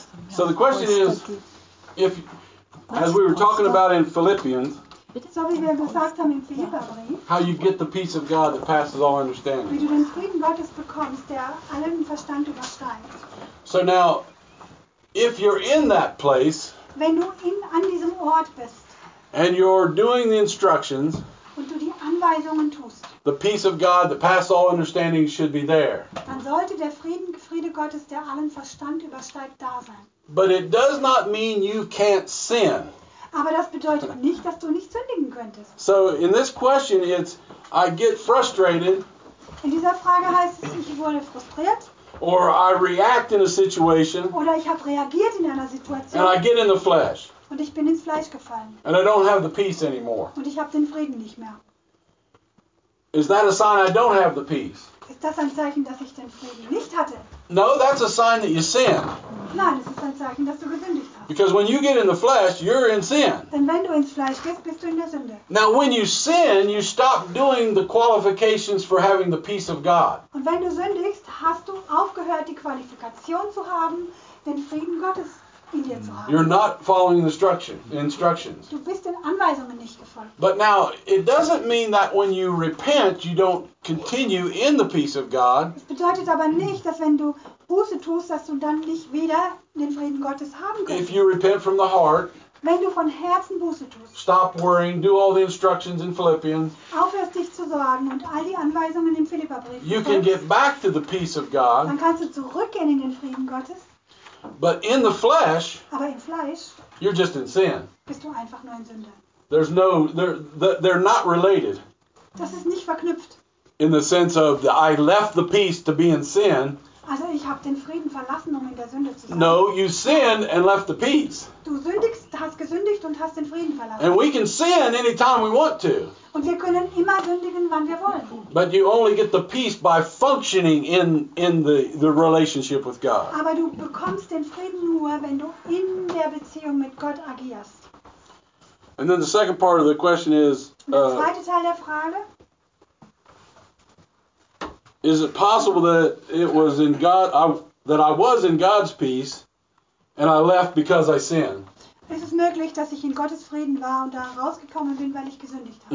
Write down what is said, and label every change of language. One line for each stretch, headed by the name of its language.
English: So the question is, if, as we were talking about in Philippians, How you get the peace of God that passes all understanding.
German: Wie du den Frieden Gottes bekommst, der allen Verstand übersteigt.
English: So now, if you're in that place,
German: wenn du in, an diesem Ort bist,
English: and you're doing the instructions,
German: und du die Anweisungen tust,
English: the peace of God that passes all understanding should be there.
German: Dann sollte der Friede Gottes, der allen Verstand übersteigt, da sein.
English: But it does not mean you can't sin.
German: Aber das bedeutet nicht, dass du nicht sündigen könntest.
English: So in this question it's, I get frustrated.
German: In dieser Frage heißt es, ich wurde frustriert.
English: Or I react in a situation.
German: Oder ich habe reagiert in einer Situation.
English: And I get in the flesh.
German: Und ich bin ins Fleisch gefallen.
English: And I don't have the peace anymore.
German: Und ich habe den Frieden nicht mehr.
English: Is that a sign I don't have the peace?
German: Ist das ein Zeichen, dass ich den Frieden nicht hatte?
English: No, that's a sign that you sin.
German: Nein, das ist ein Zeichen, dass du gesündigt hast.
English: Because when you get in the flesh, you're in sin.
German: Denn wenn du ins Fleisch gehst, bist du in der Sünde.
English: Now when you sin, you stop doing the qualifications for having the peace of God.
German: Und wenn du sündigst, hast du aufgehört, die Qualifikation zu haben, den Frieden Gottes in dir zu haben.
English: You're not following instructions.
German: Du bist den Anweisungen nicht gefolgt.
English: But now, it doesn't mean that when you repent, you don't continue in the peace of God.
German: Es bedeutet aber nicht, dass wenn du Buße tust, dass du dann nicht wieder den Frieden Gottes haben kannst.
English: If you repent from the heart,
German: wenn du von Herzen Buße tust,
English: stop worrying, do all the instructions in Philippians,
German: aufhörst dich zu sorgen und all die Anweisungen im Philipperbrief,
English: you can get back to the peace of God.
German: Dann kannst du zurückgehen in den Frieden Gottes.
English: But in the flesh,
German: aber im Fleisch,
English: you're just in sin.
German: Bist du einfach nur in Sünde.
English: There's no, they're not related.
German: Das ist nicht verknüpft.
English: In the sense of the, I left the peace to be in sin.
German: Also ich habe den Frieden verlassen, um in der Sünde zu sein.
English: No, you sinned and left the peace.
German: Du sündigst, hast gesündigt und hast den Frieden verlassen.
English: And we can sin anytime we want to.
German: Und wir können immer sündigen, wann wir wollen.
English: But you only get the peace by functioning in the relationship with God.
German: Aber du bekommst den Frieden nur, wenn du in der Beziehung mit Gott agierst.
English: And then the second part of the question is,
German: der zweite Teil der Frage.
English: Is it possible that it was in God, that I was in God's peace, and I left because I sinned?
German: Ist es möglich, dass ich in Gottes Frieden war und da rausgekommen bin, weil ich gesündigt habe?